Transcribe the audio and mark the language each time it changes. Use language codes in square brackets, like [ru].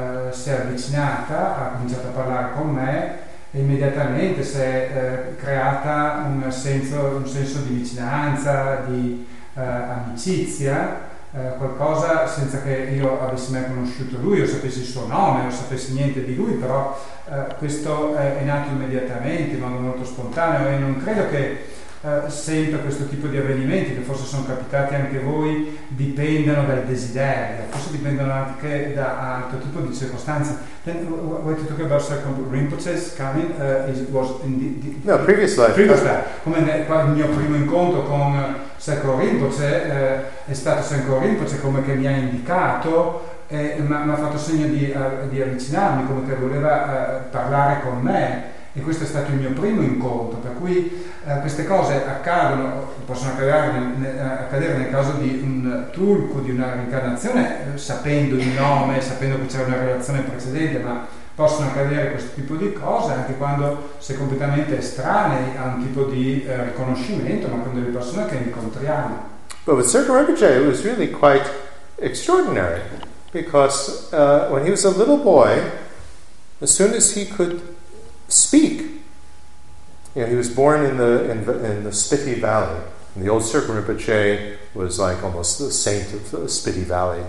[it] si è avvicinata, ha cominciato a parlare con me e immediatamente si è creata un senso di vicinanza, di amicizia, qualcosa senza che io avessi mai conosciuto lui o sapessi il suo nome o sapessi niente di lui, però questo è nato immediatamente in modo molto spontaneo. E non credo che sempre questo tipo di avvenimenti, che forse sono capitati anche voi, dipendano dal desiderio, forse dipendono anche da altro tipo di circostanze. [en] Then, what you talk about second Rinpoche's coming was in the no, previous life. Previous life. [it] Come il mio primo incontro con Second Rinpoche è stato Second Rinpoche come che mi ha indicato, mi ha fatto segno di avvicinarmi, come che voleva parlare con me. E questo è stato il mio primo incontro, per cui queste cose accadono, possono accadere nel caso di un tulku, di una reincarnazione, sapendo il nome, sapendo che c'era una relazione precedente, ma possono accadere questo tipo di cose anche quando sei completamente estranei a un tipo di riconoscimento, ma con delle persone che incontriamo. [en] But with Sergio Rinpoche it was really quite extraordinary, because when he was a little boy, as soon as he could speak, you know, he was born in the Spiti Valley. And the old Sergio Rinpoche was like almost the saint of the Spiti Valley.